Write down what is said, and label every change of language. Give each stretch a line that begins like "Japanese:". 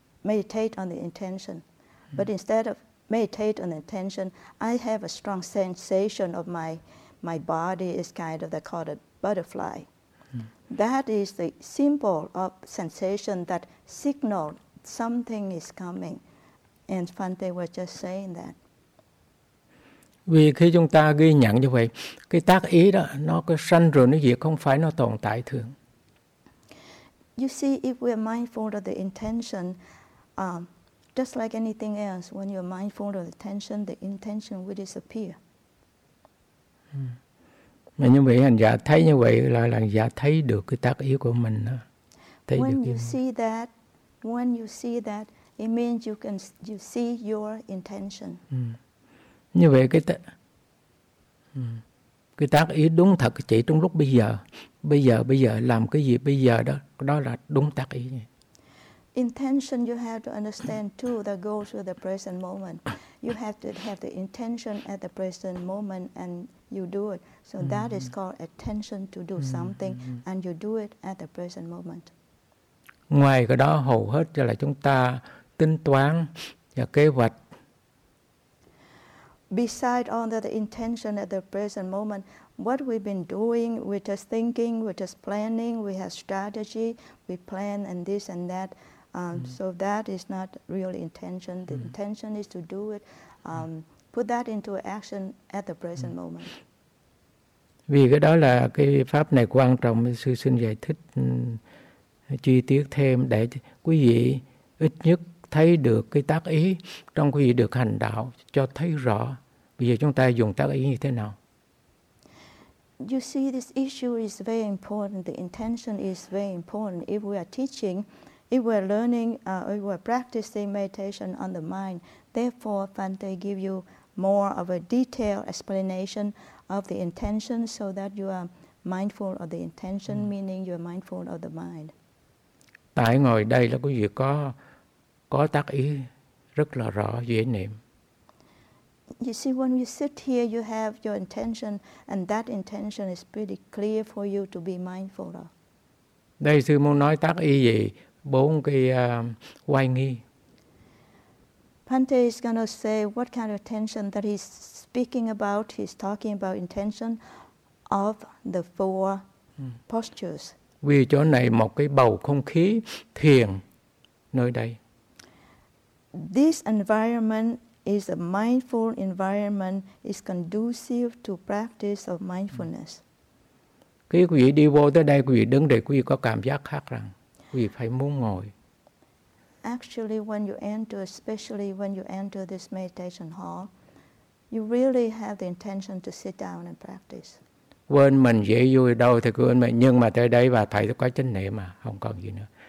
English: meditate on the intention. But instead of meditate on the intention, I have a strong sensation of my body is kind of, they call it butterfly. That is the symbol of sensation that signaled something is coming. And Bhante was just saying that.
Vietnamese: Vì khi chúng ta ghi nhận như vậy, cái tác ý đó, nó cứ sanh rồi nó diệt, không phải nó tồn tại thường.
English: You see, if we are mindful of the intention, just like anything else, when you are mindful of the intention will disappear.
Vietnamese: Mà như vậy, hành giả thấy như vậy là hành giả thấy được cái tác ý của mình. Thấy when được you mình.
English: See that, when you see that, it means you can you see your intention.
Vietnamese: Như vậy cái tác ý đúng thật chỉ trong lúc bây giờ làm cái gì bây giờ đó là đúng tác ý.
English: Intention you have to understand too that goes with the present moment. You have to have the intention at the present moment and you do it. So that is called attention to do something and you do it at the present moment.
Vietnamese: Ngoài cái đó hầu hết là chúng ta tính toán và kế hoạch.
English: Besides all the intention at the present moment, what we've been doing, we're just thinking, we're just planning, we have strategy, we plan and this and that. So that is not really intention. The intention is to do it, put that into action at the present moment.
Vietnamese: Vì cái đó là cái pháp này quan trọng, sư xin giải thích chi tiết thêm để quý vị ít nhất thấy được cái tác ý trong quý vị được hành đạo cho thấy rõ bây giờ chúng ta dùng tác ý như thế nào.
English: You see, this issue is very important. The intention is very important. If we are teaching, if we are learning, if we are practicing meditation on the mind, therefore, Bhante give you more of a detailed explanation of the intention so that you are mindful of the intention, meaning you are mindful of the mind.
Vietnamese: Tại ngồi đây là quý vị có tác ý rất là rõ dễ niệm.
English: You see, when you sit here, you have your intention, and that intention is pretty clear for you to be mindful of.
Vietnamese: Đây sư muốn nói tác ý gì? Bốn cái oai nghi.
English: Bhante is gonna say what kind of intention that he's speaking about. He's talking about intention of the four postures.
Vietnamese: Vì chỗ này một cái bầu không khí thiền nơi đây.
English: This environment is a mindful environment, is conducive to practice of mindfulness.
Vietnamese: Khi quý vị đi vô tới đây, quý vị đứng đây, quý vị có cảm giác khác rằng quý vị phải muốn ngồi.
English: Actually, when you enter, especially when you enter this meditation hall, you really have the intention to sit down and practice.
Vietnamese: Quên mình dễ vui đâu thì quên mình, nhưng mà tới đây và phải có chánh niệm mà không còn gì nữa.